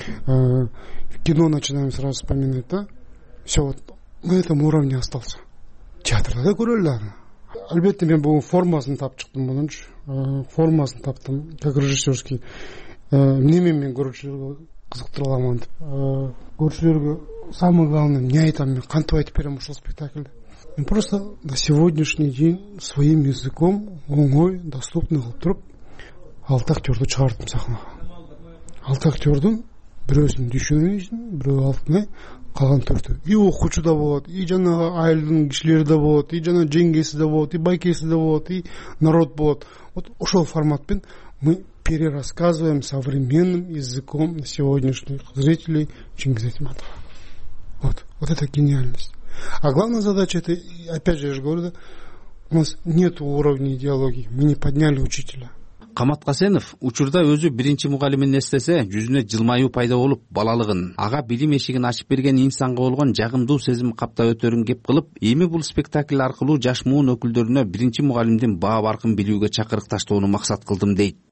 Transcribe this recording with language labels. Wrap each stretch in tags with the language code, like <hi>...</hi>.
<ru>Кино начинаем сразу вспоминать, да? Всё вот на этом уровне остался.</ru> <ky>Театрда да көрөлү аны. Албетте мен бул формасын таап чыктым мунунчу. Формасын таптым,</ky> <ru>как режиссерский.</ru> <ky>Эмне менен көрүүчүлөргө кызыктыра аламан деп. Көрүүчүлөргө</ky> <ru>самый главный</ru> <ky>эмне айтам мен, кантип айтып берем ушул спектакльди. Мен</ky> <ru>просто на сегодняшний день своим языком</ru> <ky>оңой доступный кылып туруп, 6 актерду чыгардым сахнага. 6 актердун бирөөсүн Дүйшөнүн, бирөө Алтынай, калган төртү. И окуучу да болот, и жанагы айылдын кишилери да болот, и жана жеңгеси да болот, и байкеси да болот, и народ болот.</ky> <ru>Вот</ru> <ky>ошол формат менен</ky> <ru>мы перерассказываем современным языком сегодняшних зрителей Чыңгыз Айтматова. Вот это гениальность. А главная задача это, опять же, я же говорю, да, у нас нет уровня идеологии, мы не подняли учителя.</ru> <ky>Камат Касенов учурда өзү биринчи мугалимин эстесе, жүзүнө жылмаюу пайда болуп, балалыгын, ага билим эшигин ачып берген инсанга болгон жагымдуу сезим каптап өтөрүн кеп кылып, эми бул спектакль аркылуу жаш муун өкүлдөрүнө биринчи мугалимдин баа баркын билүүгө чакырыкташтоону максат кылдым дейт.</ky>